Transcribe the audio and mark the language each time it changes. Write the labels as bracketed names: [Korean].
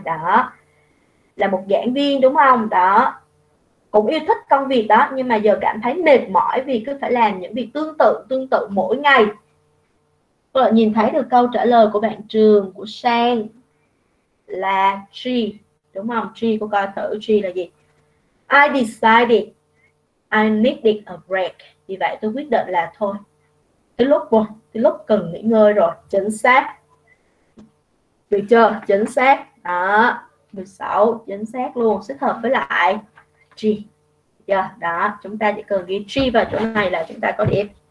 [Vietnamese] Đó, là một giảng viên, đúng không? Đó, cũng yêu thích công việc đó nhưng mà giờ cảm thấy mệt mỏi vì cứ phải làm những việc tương tự mỗi ngày. Tôi nhìn thấy được câu trả lời của bạn Trường, của Sang là G, đúng không? G, cô coi thử G là gì. [English] I decided I needed a break. [Vietnamese] Vì vậy tôi quyết định là thôi, cái lúc cần nghỉ ngơi rồi. Chính xác, được chưa? Chính xác đó, 16 chính xác luôn, xích hợp với lại G, giờ đó chúng ta chỉ cần ghi G vào chỗ này là chúng ta có điểm.